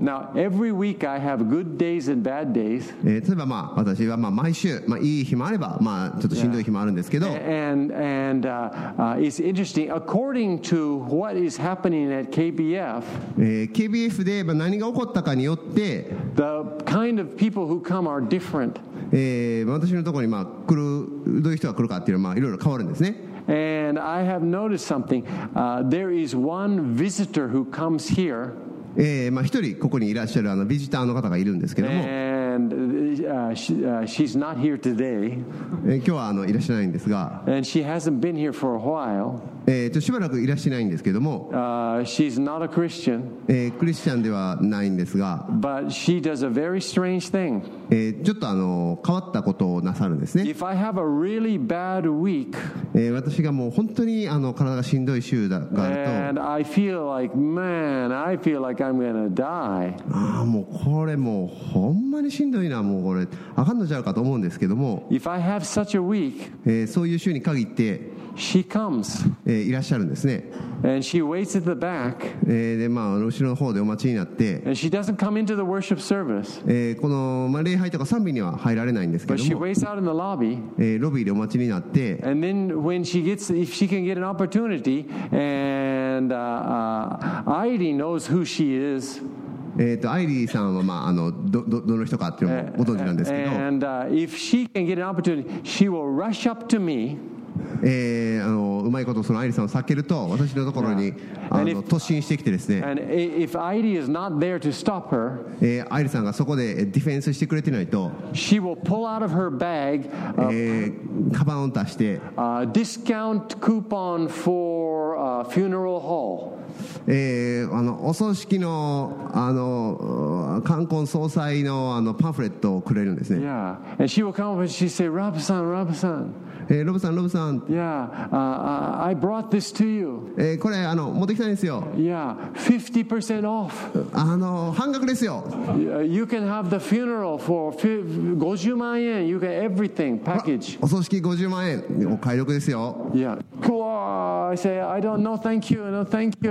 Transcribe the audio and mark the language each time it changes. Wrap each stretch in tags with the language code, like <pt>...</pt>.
<en>Now, every week I have good days and bad days.</en> <ja>例えば、まあ、私はまあ毎週、まあ、いい日もあれば、まあ、ちょっとしんどい日もあるんですけど。</ja> <en>It's interesting. According to what is happening at KBF,</en> <ja>KBF で何が起こったかによって、</ja> <en>the kind of people who come are different.</en> <ja>私のところに、まあ、来る、どういう人が来るかっていうのは、まあ、いろいろ変わるんですね。</ja> <en>And I have noticed something. There is one visitor who comes here.</en> <ja>まあ、一人ここにいらっしゃるあのビジターの方がいるんですけども。</ja> <en>And she's not here today.</en> <ja>今日はあのいらっしゃないんですが。</ja> <en>And she hasn't been here for a while.</en> <ja>しばらくいらっしゃないんですけども。</ja> <en>She's not a Christian.</en> <ja>クリスチャンではないんですが。</ja> <en>But she does a very strange thing.</en> <ja>ちょっとあの変わったことをなさるんですね。</ja> <en>If I have a really bad week.</en> <ja>私がもう本当にあの体がしんどい週だがあると。</ja> <en>And I feel like, man, I feel like I'm gonna die.</en> <ja>もうこれもうほんまにしんどいな、もうこれあかんのちゃうかと思うんですけども。</ja> <en>If I have such a week.</en> <ja>そういう週に限って。</ja> <en>She comes.</en> <ja>いらっしゃるんですね。</ja> <en>And she waits at the back.</en> <ja>で、まあ、後ろの方でお待ちになって。</ja> <en>And she doesn't come into the worship service.</en> <ja>この、まあ、礼拝とか賛美には入られないんですけども。</ja> <en>But she waits out in the lobby.</en> <ja>ロビーでお待ちになって。</ja> <en>And then when she gets, if she can get an opportunity, and Heidi knows who she is.</en> <ja>アイリーさんは、まあ、あの どの人かっていうのもご存知なんですけど。</ja> <en>And if she can get an opportunity, she will rush up to me.</en> <ja>あのうまいことそのアイリーさんを避けると私のところに、yeah. あの突進してきてですね。</ja> <en>And if Heidi is not there to stop her,</en> <ja>アイリーさんがそこでディフェンスしてくれてないと、</ja> <en>she will pull out of her bag,</en> <ja>カバンを出して、</ja> <en>discount coupon for funeral hall.</en> <ja>あのお葬式のあの冠婚葬祭のあのパンフレットをくれるんですね。</ja> <en>Yeah, and she will come up and she say, Rob さん、Rob さん。</en> <ja>ロブさん、ロブさん。</ja> <en>Yeah, I brought this to you.</en> <ja>これあの持ってきたんですよ。</ja> <en>Yeah, 50% off.</en> <ja>あの半額ですよ。</ja> <en>You can have the funeral for 50万円。 You get everything package.</en> <ja>お葬式50万円。お買い得ですよ。</ja> <en>Yeah. I say I don't know. Thank you. No, thank you.</en>